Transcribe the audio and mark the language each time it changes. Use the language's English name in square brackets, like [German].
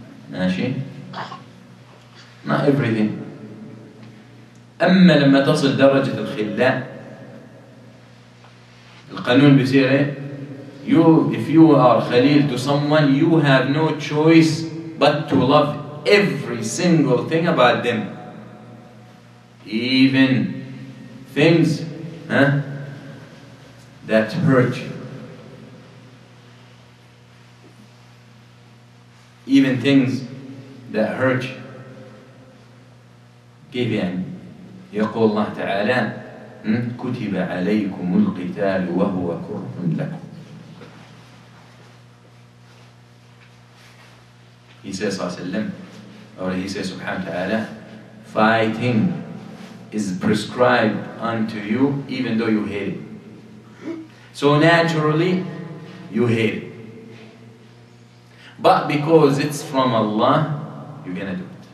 [English] ماشي؟ Not everything. [Arabic] أما لما تصل درجة الخلاء, القانون بيصير إيه؟ [English] If you are خليل to someone, you have no choice but to love every single thing about them. Even things that hurt you. Even things that hurt you. [Arabic] كيف يعني؟ يقول الله تعالى كتب عليكم القتال وهو كره لكم. [English] He says [Arabic] صلى الله عليه وسلم, [English] or he says [Arabic] سبحانه وتعالى, [English] fighting is prescribed unto you even though you hate it. So naturally you hate it. But because it's from Allah, you're gonna do it.